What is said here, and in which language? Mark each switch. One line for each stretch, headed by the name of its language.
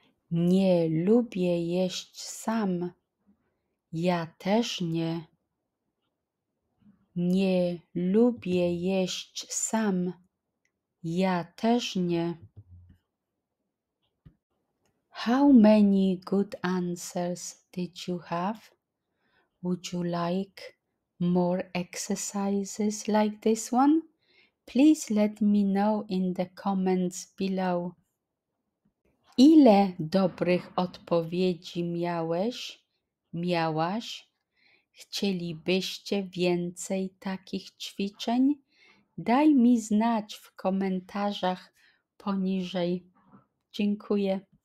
Polish: Nie lubię jeść sam. Ja też nie. Nie lubię jeść sam. Ja też nie.
English: How many good answers did you have? Would you like more exercises like this one? Please let me know in the comments below.
Polish: Ile dobrych odpowiedzi miałeś? Miałaś? Chcielibyście więcej takich ćwiczeń? Daj mi znać w komentarzach poniżej. Dziękuję.